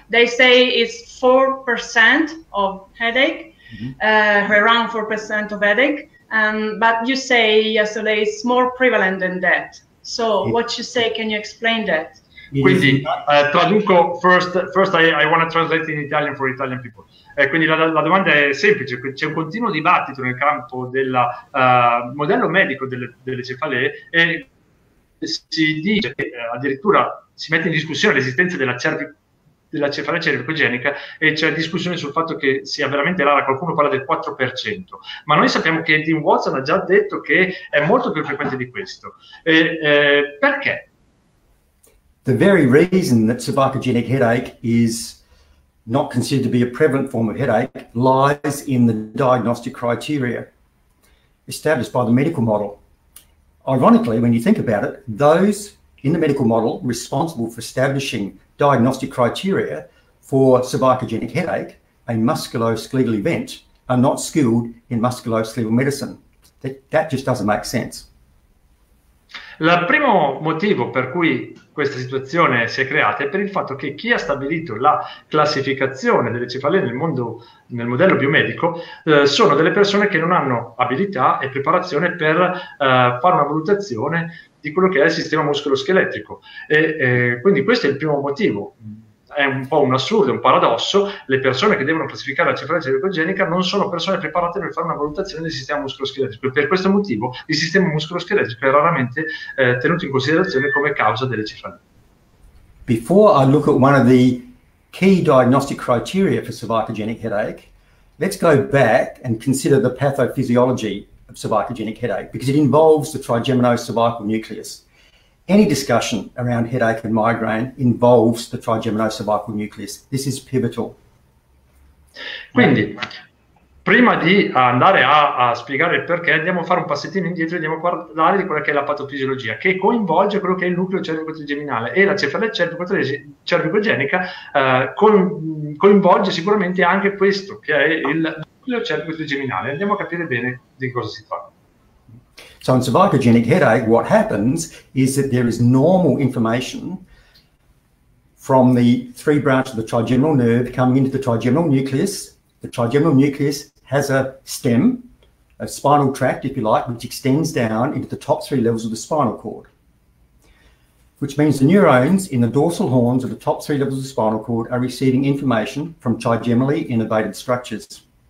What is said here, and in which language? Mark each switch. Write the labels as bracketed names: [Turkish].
[English] They say it's 4% of headache, around 4% of headache, but you say yesterday it's more prevalent than that. So what you say, can you explain that? [Italian] Quindi traduco [English] first I want to translate in Italian for Italian people. [Italian] Quindi la domanda è semplice, c'è un continuo dibattito nel campo del modello medico delle cefalee e si dice che addirittura si mette in discussione l'esistenza della cefalea cervicogenica e c'è discussione sul fatto che sia veramente rara, qualcuno parla del 4%, ma noi sappiamo che Dean Watson ha già detto che è molto più frequente di questo. Perché? [English] The very reason that cervicogenic headache is not considered to be a prevalent form of headache lies in the diagnostic criteria established by the medical model. Ironically, when you think about it, those in the medical model responsible for establishing diagnostic criteria for cervicogenic headache, a musculoskeletal event, are not skilled in musculoskeletal medicine. That just doesn't make sense. [Italian] Il primo motivo per cui questa situazione si è creata è per il fatto che chi ha stabilito la classificazione delle cefalee nel mondo, nel modello biomedico, sono delle persone che non hanno abilità e preparazione per fare una valutazione di quello che è il sistema muscolo-scheletrico. Quindi questo è il primo motivo. È un po' un assurdo, un paradosso: le persone che devono classificare la cefalea cervicogenica non sono persone preparate per fare una valutazione del sistema muscoloscheletrico, e per questo motivo il sistema muscoloscheletrico è raramente tenuto in considerazione come causa delle cefalee. [English] Before I look at one of the key diagnostic criteria for cervicogenic headache, let's go back and consider the pathophysiology of cervicogenic headache, because it involves the trigeminocervical nucleus. Any discussion around headache and migraine involves the trigeminocervical nucleus. This is pivotal. [Italian] Quindi, prima di andare a spiegare il perché, andiamo a fare un passettino indietro e andiamo a parlare di quella che è la patofisiologia, che coinvolge quello che è il nucleo cervico-trigeminale, e la cefalea cervico-trigeminica coinvolge sicuramente anche questo, che è il nucleo cervico-trigeminale. Andiamo a capire bene di cosa si tratta. [English] So in cervicogenic headache, what happens is that there is normal information from the three branches of the trigeminal nerve coming into the trigeminal nucleus. The trigeminal nucleus has a stem, a spinal tract, if you like, which extends down into the top three levels of the spinal cord, which means the neurons in the dorsal horns of the top three levels of the spinal cord are receiving information from trigeminally innervated structures.